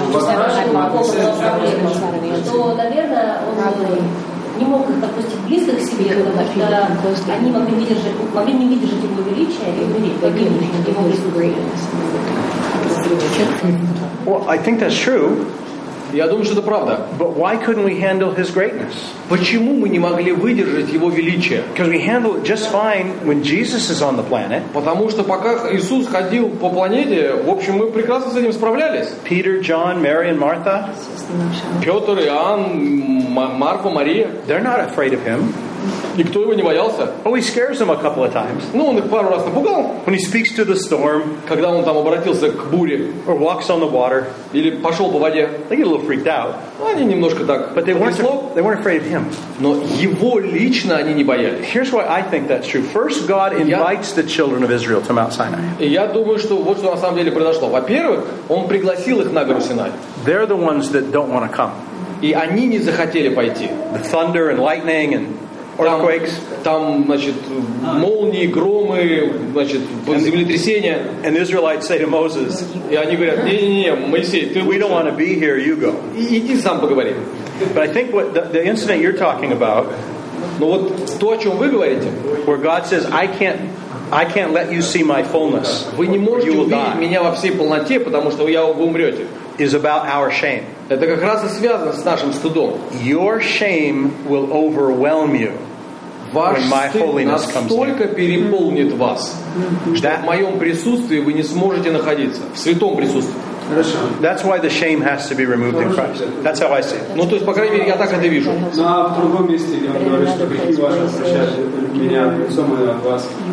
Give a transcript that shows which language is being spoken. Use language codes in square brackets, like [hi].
[ru] Потому что я уже не могу проблемы, что, наверное, он не мог их допустить близко к себе, потому что они могли не выдержать его величия и умереть. [en] Well, I think that's true. [ru] Я думаю, что это правда. [en] But why couldn't we handle his greatness? [ru] Почему мы не могли выдержать его величие? [en] Because we handle it just fine when Jesus is on the planet. [ru] Потому что пока Иисус ходил по планете, в общем, мы прекрасно с этим справлялись. [en] Peter, John, Mary and Martha. [ru] Петр, Иоанн, Марфа, Мария. [en] They're not afraid of him. [ru] Никто его не боялся. [en] Oh, he scares them a couple of times. [ru] Ну, он их пару раз напугал. [en] When he speaks to the storm. [ru] Когда он там обратился к буре. [en] Or walks on the water. [ru] Или пошел по воде. [en] They get a little freaked out. [ru] Ну, они немножко так. [en] But they weren't afraid of him. [ru] Но его лично они не боялись. [en] Here's why I think that's true. First, God invites the children of Israel to Mount Sinai. [ru] И я думаю, что вот что на самом деле произошло. Во-первых, он пригласил их на гору Синай. [en] They're the ones that don't want to come. [ru] И они не захотели пойти. [en] The thunder and lightning and earthquakes. [ru] Там, значит, молнии, громы, значит, землетрясения. [en] And the Israelites say to Moses, [ru] и они говорят, не-не-не, Моисей, ты [en] we don't want to be here, you go. [ru] Иди сам поговори. [en] But I think what the incident you're talking about, [ru] но вот то, о чем вы говорите, [en] where God says, I can't let you see my fullness. [ru] Вы не можете увидеть меня во всей полноте, потому что вы умрете. [en] Is about our shame. [ru] Это как раз и связано с нашим стыдом. [en] Your shame will overwhelm you when my holiness comes. [ru] Ваш стыд настолько переполнит вас, что в моем присутствии вы не сможете находиться в святом присутствии. [en] That's why the shame has to be removed in Christ. That's how I see it. [ru] Ну, то есть, по крайней мере, я так это вижу. На другом месте я говорю, что грехи ваши прощают меня, сомы от вас.